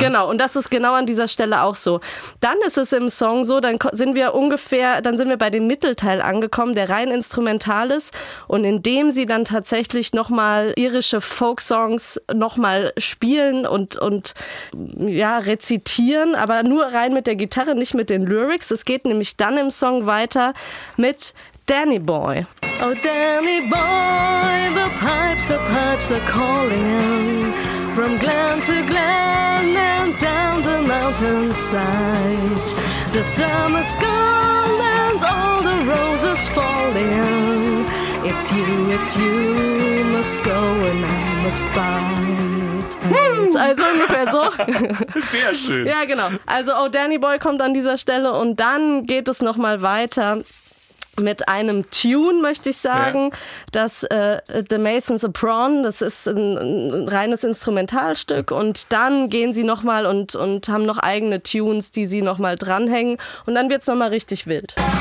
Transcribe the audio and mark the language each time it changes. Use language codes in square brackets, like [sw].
[de] Genau, und das ist genau an dieser Stelle auch so. Dann ist es im Song so, dann sind wir bei dem Mittelteil angekommen, der rein instrumental ist und in dem sie dann tatsächlich nochmal irische Folksongs nochmal spielen und rezitieren, aber nur rein mit der Gitarre, nicht mit den Lyrics. Es geht nämlich dann im Song weiter mit Danny Boy. [en] Oh Danny Boy, the pipes are calling. From glen to glen and down the mountainside, the summer's gone and all the roses fallen. It's you, must go and I must bite. [de] Also ungefähr so. Sehr schön. Ja, genau. Also, Oh Danny Boy kommt an dieser Stelle und dann geht es nochmal weiter. Mit einem Tune, möchte ich sagen, das The Mason's a Prawn, das ist ein reines Instrumentalstück und dann gehen sie nochmal und haben noch eigene Tunes, die sie nochmal dranhängen und dann wird's nochmal richtig wild.